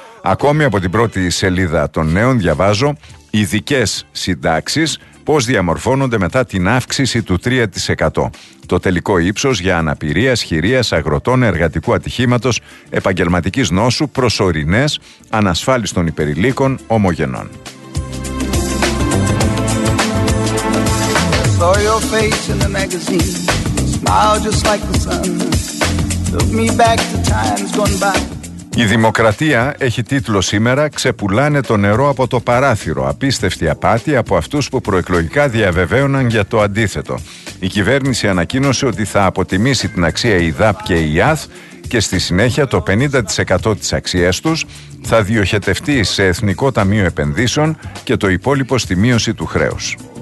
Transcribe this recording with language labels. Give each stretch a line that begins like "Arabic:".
Greek: Ακόμη από την πρώτη σελίδα των νέων διαβάζω ειδικές συντάξεις πώς διαμορφώνονται μετά την αύξηση του 3%. Το τελικό ύψος για αναπηρίας, χειρίας, αγροτών, εργατικού ατυχήματος, επαγγελματικής νόσου, προσωρινές, ανασφάλιση των υπερηλίκων, ομογενών.
English: Saw your face in the magazine, smile just like the sun, took me back to times gone by.
Greek: Η Δημοκρατία έχει τίτλο σήμερα «Ξεπουλάνε το νερό από το παράθυρο». Απίστευτη απάτη από αυτούς που προεκλογικά διαβεβαίωναν για το αντίθετο. Η κυβέρνηση ανακοίνωσε ότι θα αποτιμήσει την αξία η ΔΑΠ και η ΙΑΘ και στη συνέχεια το 50% της αξίας τους θα διοχετευτεί σε Εθνικό Ταμείο Επενδύσεων και το υπόλοιπο στη μείωση του χρέους.